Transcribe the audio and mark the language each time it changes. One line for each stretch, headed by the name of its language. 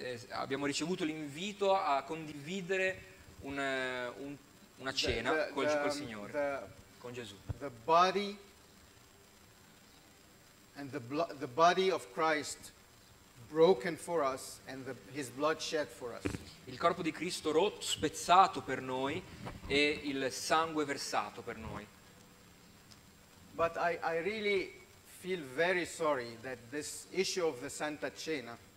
Italian: Abbiamo ricevuto l'invito a condividere una cena col Signore, con Gesù.
English: The body and the body of Christ broken for us and his blood shed for us.
Italian: Il corpo di Cristo rotto, spezzato per noi e il sangue versato per noi.
English: But I really feel very sorry that this issue of the Santa Cena,